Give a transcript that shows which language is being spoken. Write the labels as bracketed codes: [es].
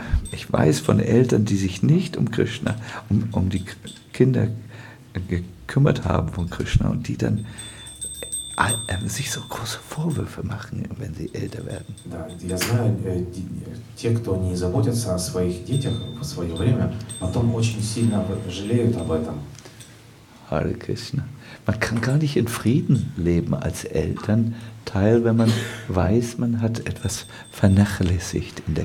[de] Ich weiß von Eltern, die sich nicht um Krishna, um die Kinder gekümmert haben von Krishna und die dann sich so große Vorwürfe machen, wenn sie älter werden. Ja, ich weiß, die, [ru] кто не заботятся о своих детях в свое время, потом очень сильно жалеют об этом. [sa] Hare Krishna. [de] Man kann gar nicht in Frieden leben als Elternteil, wenn man weiß, man hat etwas vernachlässigt in der